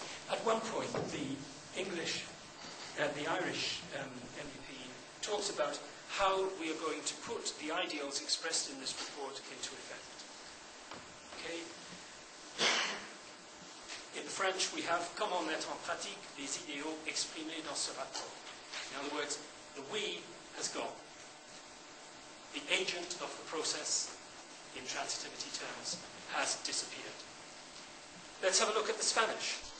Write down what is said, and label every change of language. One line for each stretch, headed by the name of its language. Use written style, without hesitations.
English: At one point, the English, the Irish MEP talks about how we are going to put the ideals expressed in this report into effect. Okay? In French, we have
French: comment mettre en pratique les idéaux exprimés dans ce rapport.
English: In other words, the we has gone. The agent of the process, in transitivity terms, has disappeared. Let's have a look at the Spanish.